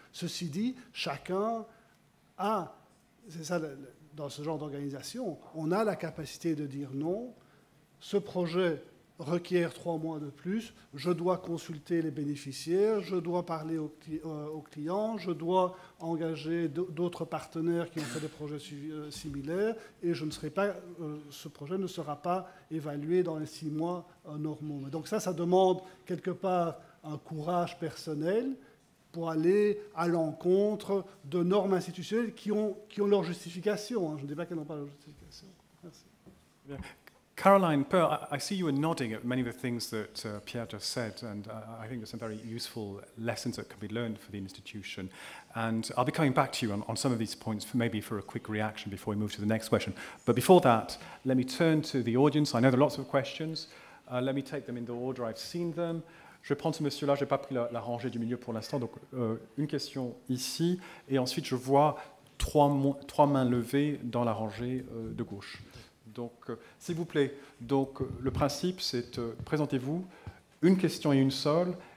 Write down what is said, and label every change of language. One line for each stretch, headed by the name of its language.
French: Ceci dit, chacun a... C'est ça, dans ce genre d'organisation, on a la capacité de dire non, ce projet requiert 3 mois de plus, je dois consulter les bénéficiaires, je dois parler aux clients, je dois engager d'autres partenaires qui ont fait des projets similaires, et je ne serai pas, ce projet ne sera pas évalué dans les 6 mois normaux. Donc ça demande quelque part un courage personnel, pour aller à l'encontre de normes institutionnelles qui ont leur justification. Je ne dis pas qu'elles n'ont pas leur justification. Merci.
English: Yeah. Caroline, Pearl, I see you are nodding at many of the things that Pierre just said, and I think there's some very useful lessons that can be learned for the institution. And I'll be coming back to you on some of these points, maybe for a quick reaction before we move to the next question. But before that, let me turn to the audience. I know there are lots of questions. Let me take them in the order I've seen them.
French: Je vais prendre ce monsieur-là, je n'ai pas pris la rangée du milieu pour l'instant. Donc, une question ici, et ensuite, je vois trois mains levées dans la rangée de gauche. Donc, s'il vous plaît, donc, le principe, c'est présentez-vous, une question et une seule,